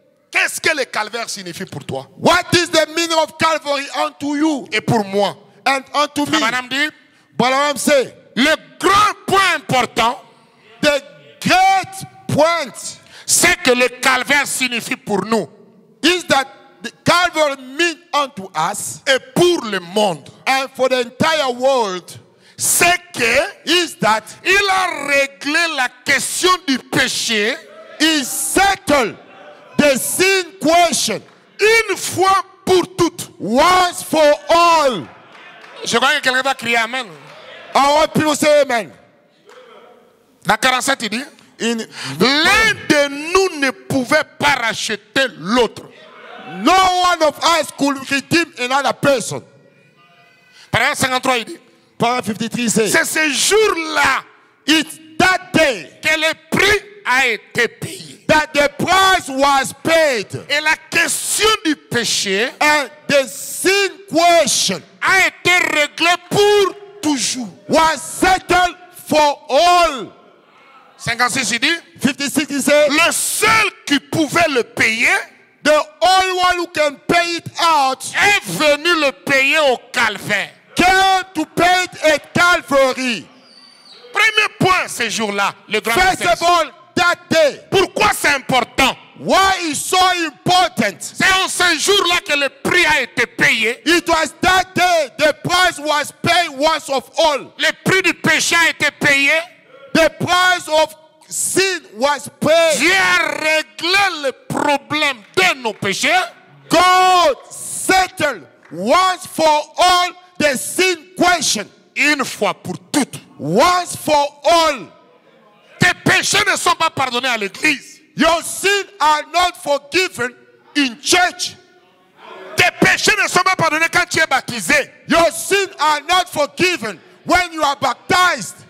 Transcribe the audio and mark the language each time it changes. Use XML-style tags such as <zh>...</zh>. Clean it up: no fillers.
<fr>Qu'est-ce que le calvaire signifie pour toi?</fr> <en>What is the meaning of Calvary unto you?</en> <fr>Et pour moi?</fr> <en>And unto me.</en> <fr>Abraham dit.</fr> <en>Abraham say.</en> <fr>Le grand point important.</fr> <en>The great point.</en> <fr>Ce que le calvaire signifie pour nous.</fr> <en>Is that the Calvary means unto us.</en> <fr>Et pour le monde.</fr> <en>And for the entire world.</en> <fr>Ce que.</fr> <en>Is that.</en> <fr>Il a réglé la question du péché.</fr> <en>Is settled. The sin question.</en> <fr>Une fois pour toutes.</fr> <en>Once for all.</en> <fr>Je crois que quelqu'un va crier amen. Ah ouais, puis on sait amen. La 47, il dit.</fr> <en>In,</en> <fr>l'un de nous ne pouvait pas racheter l'autre.</fr> <en>No one of us could redeem another person.</en> <fr>Paragraphe 53, il dit. Paragraphe 53, c'est. C'est ce jour-là.</fr> <en>It's that day.</en> <fr>Que le prix a été payé.</fr> <en>That the price was paid.</en> <fr>Et la question du péché.</fr> <en>And the sin question.</en> <fr>A été réglé pour toujours.</fr> <en>Was settled for all.</en> <fr>56, il dit. 56, il dit. Le seul qui pouvait le payer.</fr> <en>The only one who can pay it out.</en> <fr>Est venu le payer au calvaire.</fr> <en>Came to pay it at Calvary.</en> <fr>Premier point ce jour-là. Le grand</fr> <en>first of all, that day.</en> <fr>Pourquoi c'est important?</fr> <en>Why is so important?</en> <fr>C'est en ce jour-là que le prix a été payé.</fr> <en>It was that day the price was paid once of all.</en> <fr>Le prix du péché a été payé.</fr> <en>The price of sin was paid.</en> <fr>Dieu a réglé le problème de nos péchés.</fr> <en>God settled once for all the sin question.</en> <fr>Une fois pour toutes.</fr> <en>Once for all.</en> <fr>Tes péchés ne sont pas pardonnés à l'église.</fr> <en>Your sins are not forgiven in church.</en> <fr>Tes péchés ne sont pas pardonnés quand tu es baptisé.</fr> <en>Your sins are not forgiven when you are baptized.</en>